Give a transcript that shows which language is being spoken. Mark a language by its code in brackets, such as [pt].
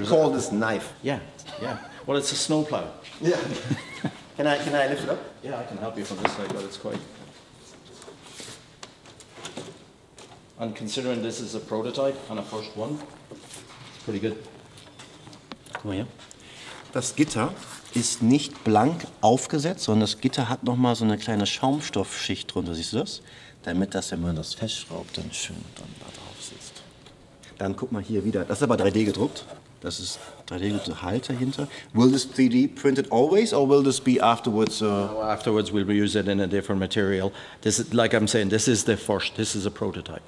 [en] We call this knife. Yeah. Well, it's a snowplow. Yeah. can I lift it up? Yeah, I can help you from this side, but it's quite... And considering this is a prototype and a first one, it's pretty good. Oh yeah. [de] Das Gitter ist nicht blank aufgesetzt, sondern das Gitter hat nochmal so eine kleine Schaumstoffschicht drunter. Siehst du das? damit das, wenn man das festschraubt, dann schön dann da drauf sitzt. Dann guck mal hier wieder, das ist aber 3D gedruckt. Das ist 3D gedruckte Halter hinter. [en] Will this 3D printed always or will this be afterwards? Afterwards we'll use it in a different material. This is, like I'm saying, this is the first, this is a prototype.